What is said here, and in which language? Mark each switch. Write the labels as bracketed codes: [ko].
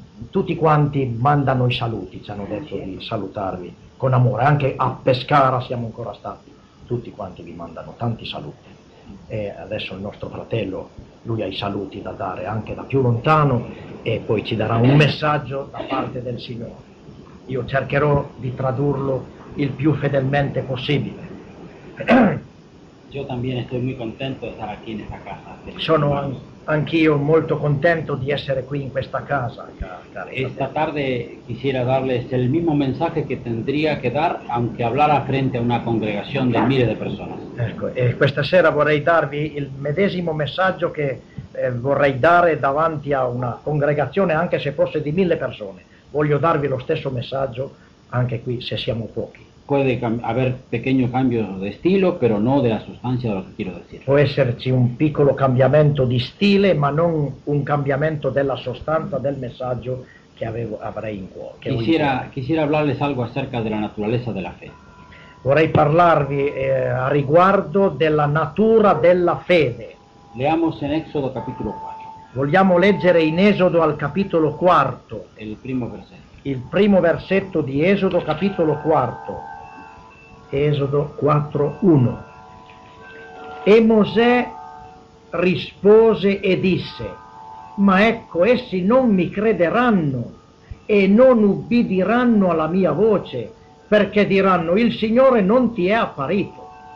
[it] tutti quanti mandano i saluti, ci hanno detto di salutarvi con amore, anche a Pescara siamo ancora stati, tutti quanti vi mandano tanti saluti. E adesso il nostro fratello, lui ha i saluti da dare anche da più lontano e poi ci darà un messaggio da parte del Signore. Io cercherò di tradurlo il più fedelmente possibile. [es] Yo también estoy muy contento de estar aquí en esta casa. [it] Sono anch'io molto contento di essere qui in questa casa, [es] Esta tarde quisiera darles el mismo mensaje que tendría que dar, aunque hablara frente a una congregación de miles de personas. [it] Ecco, e questa sera vorrei darvi il medesimo messaggio che vorrei dare davanti a una congregazione, anche se fosse di 1.000 persone. Voglio darvi lo stesso messaggio anche qui, se siamo pochi. [es] Puede haber pequeños cambios de estilo, pero no de la sustancia de lo que quiero decir. [it] Può esserci un piccolo cambiamento di stile, ma non un cambiamento della sostanza del messaggio che avrei in cuore, che ho in cuore. [es] Quisiera hablarles algo acerca de la naturaleza de la fe. [it] Vorrei parlarvi a riguardo della natura della fede. [es] Leamos en Éxodo capítulo 4, [it] Vogliamo leggere in Esodo al capitolo 4, el primo versetto. il primo versetto di Esodo capitolo 4. Esodo 4:1. E Mosè rispose e disse: Ma ecco, essi non mi crederanno e non ubbidiranno alla mia voce, perché diranno: Il Signore non ti è apparito.